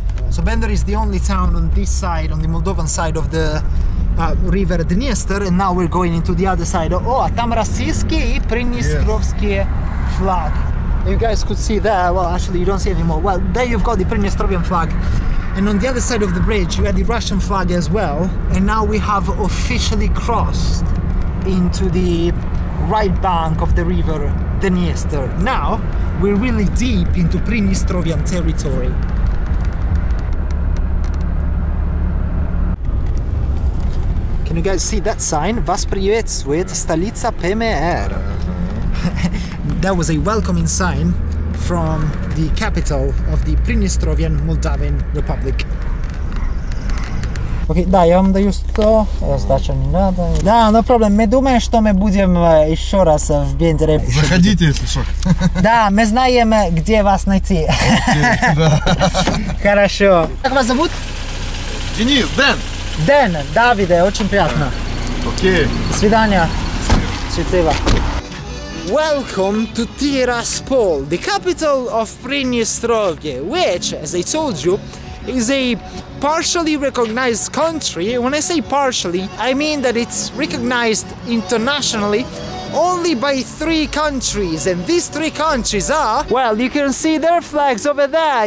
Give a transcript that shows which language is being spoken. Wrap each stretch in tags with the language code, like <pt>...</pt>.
<en>So Bender is the only town on this side, on the Moldovan side of the river Dniester, and now we're going into the other side.</en> <ru>Oh, там российские и приднестровские флаг.</ru> <en>You guys could see there, well, actually you don't see anymore. Well, there you've got the Приднестровian flag. And on the other side of the bridge, you had the Russian flag as well. And now we have officially crossed into the right bank of the river Dniester. Now, we're really deep into Приднестровian territory. Can you guys see that sign?</en> <ru>Вас приветствует столица ПМР.</ru> <en>That was a welcoming sign from the capital of the Приднестровian Moldavian Republic.</en> <ru>Окей, да, я вам даю 100, сдача не надо. Да, но проблем, мы думаем, что мы будем еще раз в Бендере. Заходите, если что. Да, мы знаем, где вас найти. Окей, да. Хорошо. Как вас зовут? Денис, Дэн. Дэн, Давиде, очень приятно. Окей.</ru> <en>Okay.</en> <ru>Свидания. Счастливо.</ru> <en>Welcome to Tiraspol, the capital of Приднестровье, which, as I told you, is a partially recognized country. When I say partially, I mean that it's recognized internationally only by three countries, and these three countries are, well, you can see their flags over there.</en>